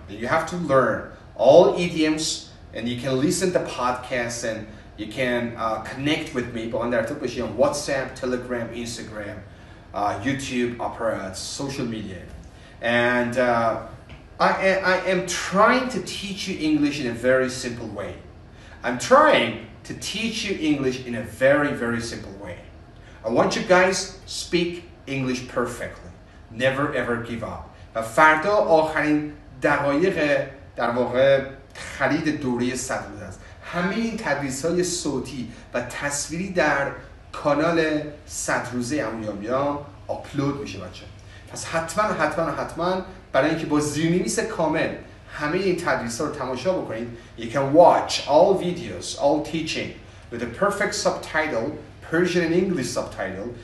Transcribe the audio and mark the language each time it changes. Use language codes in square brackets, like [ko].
[en] You have to learn all idioms, and you can listen to podcasts, and you can connect with me on WhatsApp, Telegram, Instagram, YouTube, Opera, social media. And I am trying to teach you English in a very simple way. I'm trying to teach you English in a very, very simple way. I want you guys speak English perfectly. Never ever give up. [fa] و فردا آخرین دقایق در واقع خرید دوره صد روز است. همه این تدریس های صوتی و تصویری در کانال صد روزه امویامیا آپلود میشه بچه. پس حتما برای اینکه با زیرنویس کامل همه این تدریس ها رو تماشا بکنید. [en] You can watch all videos, all teaching with a perfect subtitle, Persian and English subtitle.